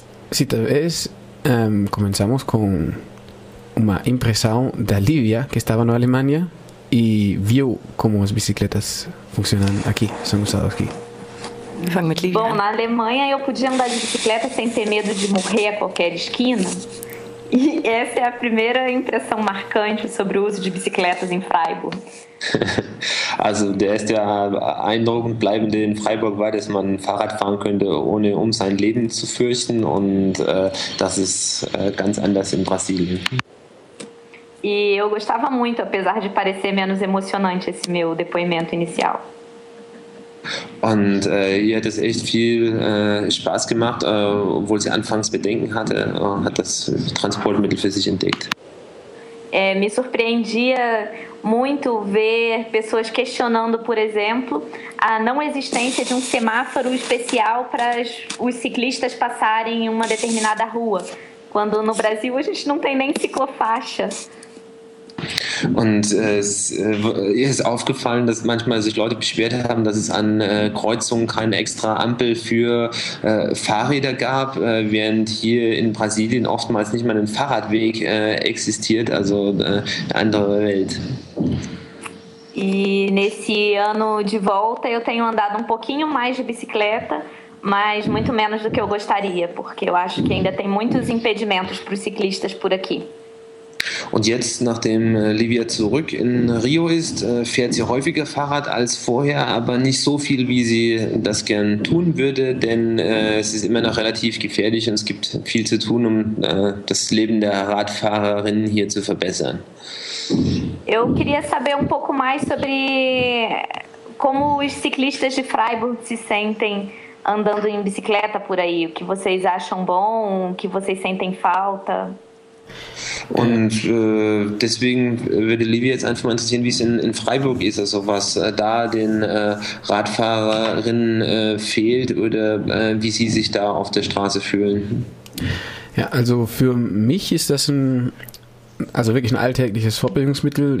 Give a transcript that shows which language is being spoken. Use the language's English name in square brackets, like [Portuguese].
[Portuguese] Se talvez começamos com uma impressão da Lívia, que estava na Alemanha e viu como as bicicletas funcionam aqui, são usadas aqui. Bom, na Alemanha eu podia andar de bicicleta sem ter medo de morrer a qualquer esquina. E essa é a primeira impressão marcante sobre o uso de bicicletas em Freiburg. [German] Also der erste Eindruck und bleibende in Freiburg war, dass man Fahrrad fahren könnte, ohne um sein Leben zu fürchten. Und das ist ganz anders in Brasilien. [Portuguese] E eu gostava muito, apesar de parecer menos emocionante esse meu depoimento inicial. [German] Und ihr hat es echt viel Spaß gemacht, obwohl sie anfangs Bedenken hatte, hat das Transportmittel für sich entdeckt. [Portuguese] Me surpreendia muito ver pessoas questionando, por exemplo, a não existência de um semáforo especial para os ciclistas passarem em uma determinada rua, quando no Brasil a gente não tem nem ciclofaixa. [German] Und ihr ist aufgefallen, dass manchmal sich Leute beschwert haben, dass es an Kreuzungen keine extra Ampel für Fahrräder gab, während hier in Brasilien oftmals nicht mal ein Fahrradweg existiert, also eine andere Welt. [Portuguese] E nesse ano de volta eu tenho andado um pouquinho mais de bicicleta, mas muito menos do que eu gostaria, porque eu acho que ainda tem muitos impedimentos para os ciclistas por aqui. [German] Und jetzt, nachdem Lívia zurück in Rio ist, fährt sie häufiger Fahrrad als vorher, aber nicht so viel, wie sie das gern tun würde, denn es ist immer noch relativ gefährlich und es gibt viel zu tun, um das Leben der Radfahrerinnen hier zu verbessern. [Portuguese] Eu queria saber um pouco mais sobre como os ciclistas de Freiburg se sentem andando em bicicleta por aí. O que vocês acham bom? O que vocês sentem falta? [German] Und deswegen würde Lívia jetzt einfach mal interessieren, wie es in Freiburg ist, also was da den Radfahrerinnen fehlt oder wie sie sich da auf der Straße fühlen. Ja, also für mich ist das ein also wirklich ein alltägliches Fortbildungsmittel.